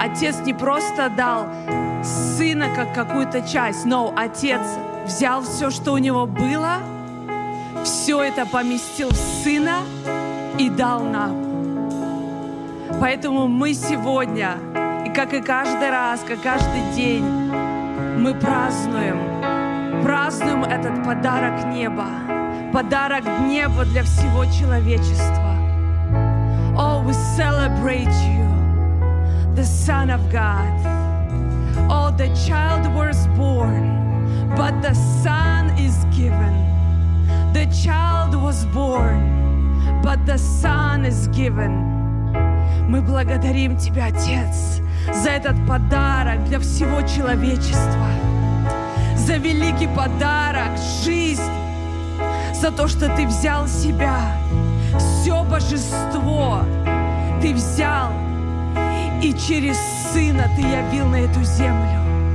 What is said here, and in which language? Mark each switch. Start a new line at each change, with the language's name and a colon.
Russian: Отец не просто дал сына как какую-то часть, но отец взял все, что у него было, все это поместил в сына и дал нам. Поэтому мы сегодня, и как и каждый раз, как каждый день, мы празднуем этот подарок неба, подарок неба для всего человечества.
English: Oh, we celebrate you, the Son of God. Oh, the child was born, but the Son is given. The child was born, but the Son is given.
Russian: Мы благодарим Тебя, Отец, за этот подарок для всего человечества, за великий подарок, жизнь, за то, что Ты взял себя, все божество Ты взял, и через Сына Ты явил на эту землю.